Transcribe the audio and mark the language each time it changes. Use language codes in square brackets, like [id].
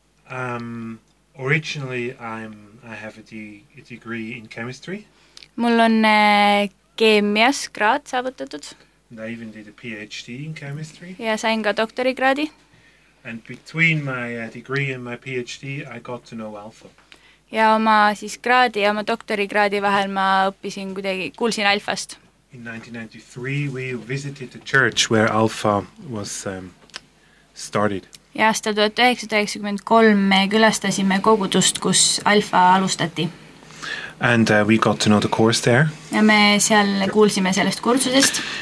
[en] I have a degree in chemistry. [et] Mul on keemias graad saavutatud. [en] And I even did a PhD in chemistry. [et] Ja sain ka doktorikraadi. [en] And between my degree and my PhD, I got to know alpha. [et] Ja oma siis graadi ja oma doktorikraadi vahel ma õppisin kuidagi kuulsin alfast. [en] In 1993 we visited the church where Alpha was started. [et] Ja aastal 1993 me külastasime kogudust, kus Alpha alustati. [en] And we got to know the course there. [et] Ja me seal kuulsime sellest kursusest.